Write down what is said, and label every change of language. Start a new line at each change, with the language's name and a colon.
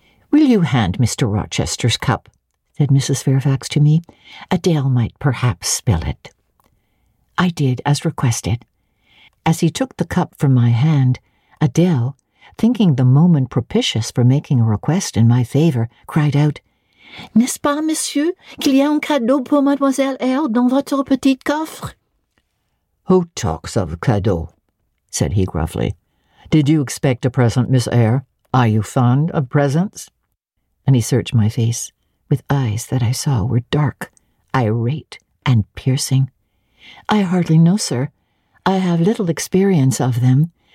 English: "Will you hand Mr. Rochester's cup?" said Mrs. Fairfax to me. "Adele might perhaps spill it." I did as requested. As he took the cup from my hand, Adele, thinking the moment propitious for making a request in my favor, cried out,
French: "N'est-ce pas, monsieur, qu'il y a un cadeau pour Mademoiselle Eyre dans votre petit coffre?"
English: "Who talks of cadeau?" said he gruffly. "Did you expect a present, Miss Eyre? Are you fond of presents?" And he searched my face with eyes that I saw were dark, irate, and piercing. "I hardly know, sir. I have little experience of them.